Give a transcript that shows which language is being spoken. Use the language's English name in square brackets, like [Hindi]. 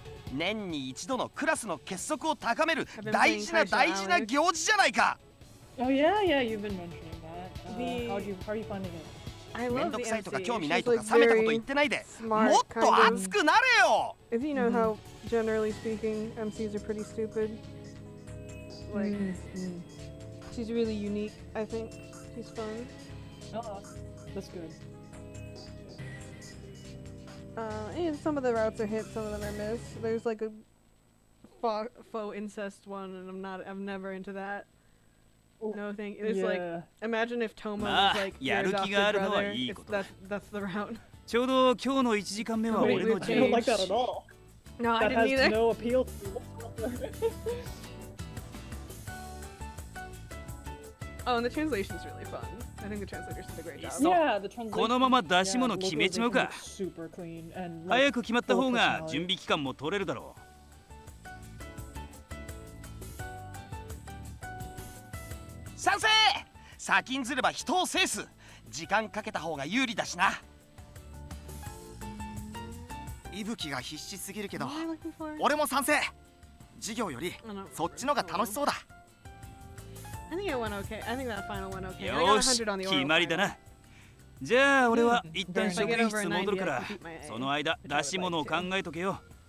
[Japanese] 年に一度のクラスの結束を高める大事な行事じゃないか! [English] Oh yeah, yeah, you've been mentioning that. How are you finding it? I love the MC. [Japanese] めんどくさいとか興味ないとか冷めたこと言ってないで、もっと熱くなれよ! [English] If you know how, generally speaking, MCs are pretty stupid. She's really unique, I think. She's fun. That's good. And some of the routes are hit, some of them are missed. There's like a faux incest one, and I'm never into that. No thank you. It's like, imagine if Toma was like your adopted brother. That's the route. [Japanese] ちょうど今日の1時間目は俺の人生。 [English] I don't like that at all. No, I didn't either. That has no appeal to me. Oh, and the translation's really fun. I think the translators did a great job. Yeah, the translation. [Japanese] このまま出し物決めちまうか。 [English] Super clean and. [Japanese] 早く決まった方が準備期間も取れるだろう。賛成。先んずれば人を制す。時間かけた方が有利だしな。伊吹が必死すぎるけど、俺も賛成。授業よりそっちのが楽しそうだ。 [English] I think it went okay. I think that final went okay. [Japanese] よし、決まりだな。じゃあ俺は一旦職員室戻るから、その間出し物を考えとけよ。